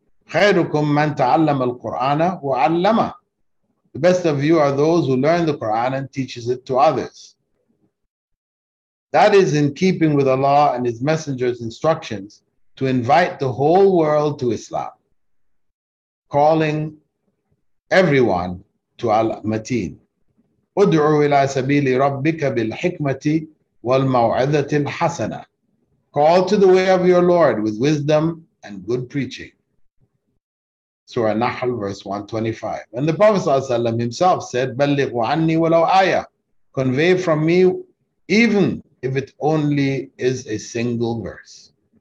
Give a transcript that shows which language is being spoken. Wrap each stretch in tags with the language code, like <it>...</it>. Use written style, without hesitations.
<ar>خَيْرُكُمْ مَنْ تَعَلَّمَ الْقُرْآنَ وَعَلَّمَ,</ar> <en>the best of you are those who learn the Quran and teaches it to others. That is in keeping with Allah and His Messenger's instructions to invite the whole world to Islam, calling everyone to Al-Mateen.</en> <ar>ادعو إلى سبيل ربك بالحكمة والموعظة الحسنة.</ar> <en>Call to the way of your Lord with wisdom and good preaching. Surah Nahl, verse 125. And the Prophet ﷺ himself said,</en> <ar>بلغوا عني ولو آية,</ar> <en>convey from me even if it only is a single verse.</en>